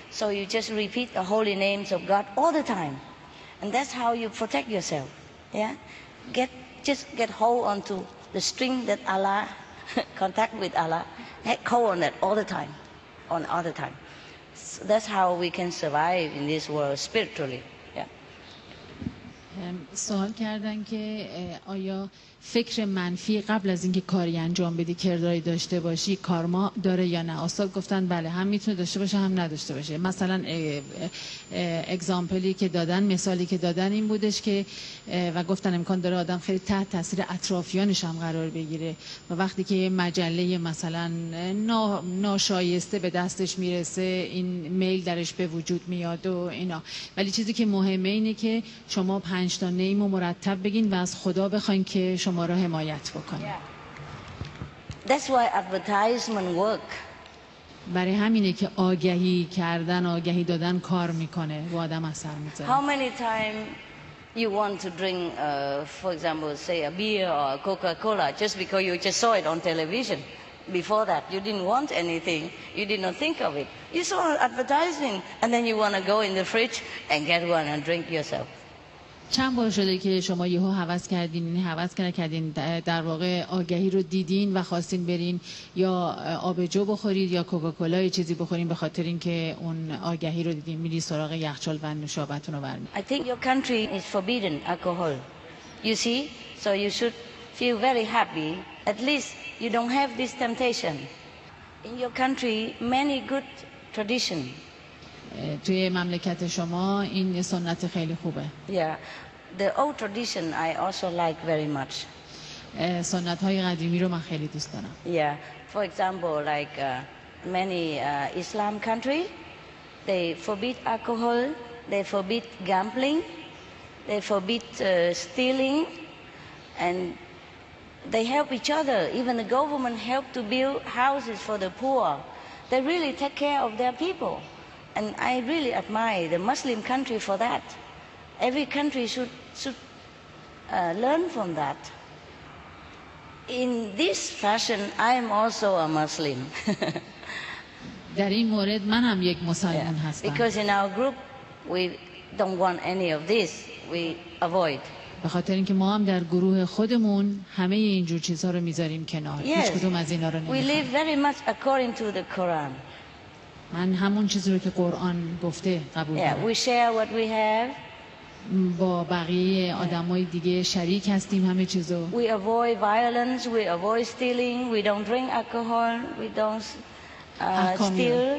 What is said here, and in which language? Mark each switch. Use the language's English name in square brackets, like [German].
[English] So you just repeat the holy names of God all the time. And that's how you protect yourself. Yeah? Just get hold onto the string that Allah, contact with Allah, hold on that all the time, So that's how we can survive in this world spiritually. [Persian] سوال کردن که آیا فکر منفی قبل از اینکه کاری انجام بدی کردایی داشته باشی کارما داره یا نه؟ استاد گفتن بله، هم میتونه داشته باشه هم نداشته باشه. مثلا اگزامپلی که دادن، مثالی که دادن این بودش که و گفتن امکان داره آدم خیلی تحت تاثیر اطرافیانش هم قرار بگیره و وقتی که یه مجله مثلا ناشایسته به دستش میرسه این میل درش به وجود میاد و اینا. ولی چیزی که مهمه اینه که شما 5 تا نیم و مرتب بگین و از خدا بخواین که شما را حمایت بکنه. [English] That's why advertisement work. [Persian] برای همینه که آگهی کردن، آگهی دادن کار میکنه و آدم اثر میذاره. [English] How many time you want to drink for example say a beer or a Coca-Cola just because you just saw it on television? Before that you didn't want anything, you did not think of it. You saw an advertisement and then you want to go in the fridge and get one and drink yourself. [Persian] چند بار شده که شما یهو حوض کردین، در واقع آگهی رو دیدین و خواستین برین یا آبجو بخورید یا کوکاکولا یه چیزی بخورین به خاطر اینکه اون آگهی رو دیدین میری سراغ یخچال و نوشابتون رو برمی. [English] I think your country is forbidden alcohol. You see? So you should feel very happy. At least you don't have this temptation. In your country, many good tradition. [Persian] توی مملکت شما این سنت خیلی خوبه. [English] Yeah, the old tradition I also like very much. [Persian] سنت‌های قدیمی رو من خیلی دوست دارم. [English] Yeah, for example, like many Islam country, they forbid alcohol, they forbid gambling, they forbid stealing, and they help each other. Even the government help to build houses for the poor. They really take care of their people. And I really admire the Muslim country for that. Every country should learn from that. In this fashion, I am also a Muslim. [Persian] در این مورد من هم یک مسلمان هستم. [English] Because in our group, we don't want any of this. We avoid. [Persian] به خاطر اینکه ما هم در گروه خودمون همه اینجور چیزها رو میذاریم کنار. هیچ کدوم از اینا رو نمیخوایم. [English] We live very much according to the Quran. [Persian] من همون چیزی رو که قرآن گفته قبول دارم. [English] Yeah, we share what we have. [Persian] با بقیه آدمای دیگه شریک هستیم همه چیزو. [English] We avoid violence, we avoid stealing, we don't drink alcohol, we don't steal.